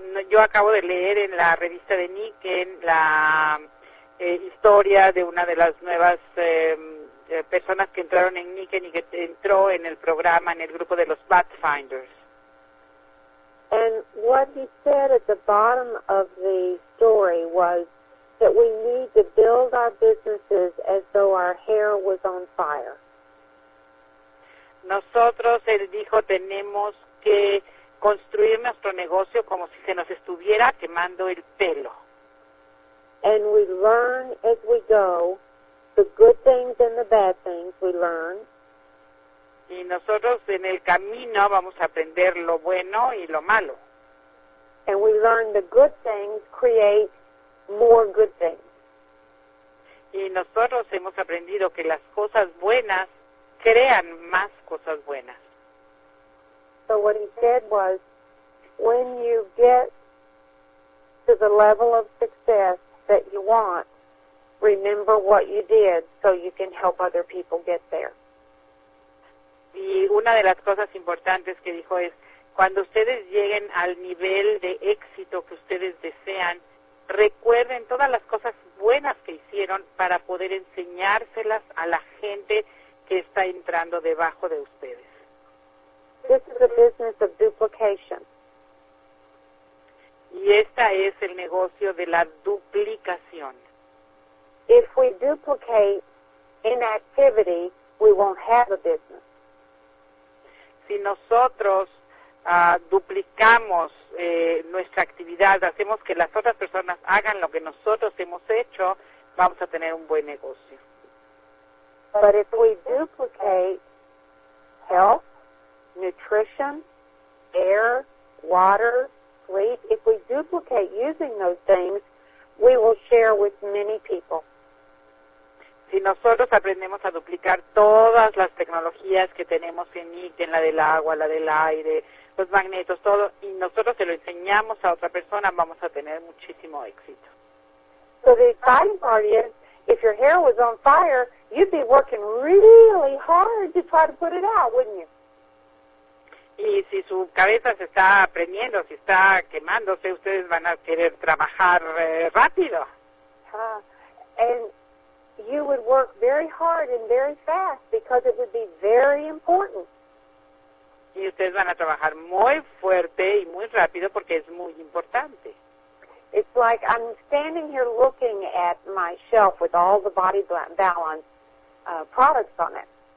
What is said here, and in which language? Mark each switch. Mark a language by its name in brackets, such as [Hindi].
[Spanish] Yo acabo de leer en la revista de Niken la historia de una de las nuevas personas que entraron en Niken y que entró en el programa, en el grupo de los Pathfinders. [English] And what he said at the bottom of the story was that we need to build our businesses as though our hair was on fire. [Spanish] Nosotros, él dijo, tenemos que construir nuestro negocio como si se nos estuviera quemando el pelo. [English] And we learn as we go, the good things and the bad things we learn. [Spanish] Y nosotros en el camino vamos a aprender lo bueno y lo malo. [English] And we learn the good things create more good things. [Spanish] Y nosotros hemos aprendido que las cosas buenas crean más cosas buenas. [English] So what he said was, when you get to the level of success that you want, remember what you did so you can help other people get there. [Spanish] Y una de las cosas importantes que dijo es, cuando ustedes lleguen al nivel de éxito que ustedes desean, recuerden todas las cosas buenas que hicieron para poder enseñárselas a la gente que está entrando debajo de ustedes. [English] This is a business of duplication. [Spanish] Y esta es el negocio de la duplicación. [English] If we duplicate inactivity, we won't have a business. [Spanish] Si nosotros duplicamos nuestra actividad, hacemos que las otras personas hagan lo que nosotros hemos hecho, vamos a tener un buen negocio. [English] But if we duplicate health, nutrition, air, water, sleep, if we duplicate using those things, we will share with many people. [Spanish] Si nosotros aprendemos a duplicar todas las tecnologías que tenemos en ICANN, la del agua, la del aire, los magnetos, todo, y nosotros se lo enseñamos a otra persona, vamos a tener muchísimo éxito. [English] So the exciting part is, if your hair was on fire, you'd be working really hard to try to put it out, wouldn't you? [Spanish] Y si su cabeza se está prendiendo, si está quemándose, ustedes van a querer trabajar rápido. [English] And you would work very hard and very fast because it would be very important. [Spanish] Y ustedes van a trabajar muy fuerte y muy rápido porque es muy importante. [English] It's like I'm standing here looking at my shelf with all the Body Balance products on it.